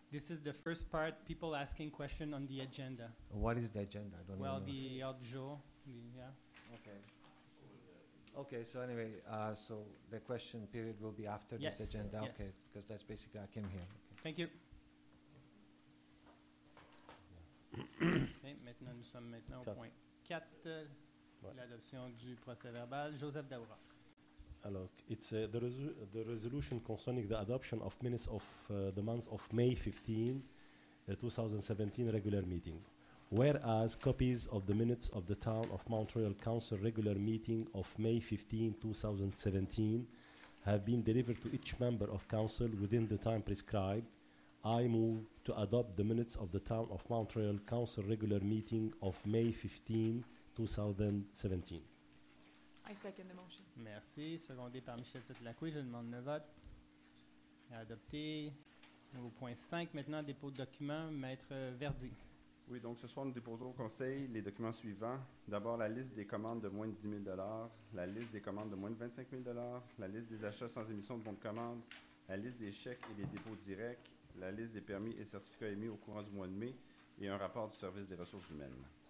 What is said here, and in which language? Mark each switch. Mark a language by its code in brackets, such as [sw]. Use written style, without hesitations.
[en] This is the first part, people asking question on the agenda. What is the agenda? I don't well, know. Well, the odd jour, yeah. Okay. Okay, so anyway, so the question period will be after yes. this agenda. Yes. Okay, because that's basically how I came here. Okay. Thank you. [fr] Okay, maintenant, nous sommes maintenant au point 4, l'adoption du procès verbal. Joseph Daoura. [en] Hello. It's the resolution concerning the adoption of minutes of the month of May 15, 2017 regular meeting. Whereas copies of the minutes of the Town of Mont-Royal Council regular meeting of May 15, 2017 have been delivered to each member of council within the time prescribed, I move to adopt the minutes of the Town of Mont-Royal Council regular meeting of May 15, 2017. I second the motion. [fr] Merci. Secondé par Michel Sotelacoué, je demande le vote. Adopté. Au point 5, maintenant, dépôt de documents, Maître Verdi. Oui, donc ce soir, nous déposons au conseil les documents suivants. D'abord, la liste des commandes de moins de 10 000 $ la liste des commandes de moins de 25 000 $ la liste des achats sans émission de bons de commande, la liste des chèques et des dépôts directs, la liste des permis et certificats émis au courant du mois de mai et un rapport du service des ressources humaines.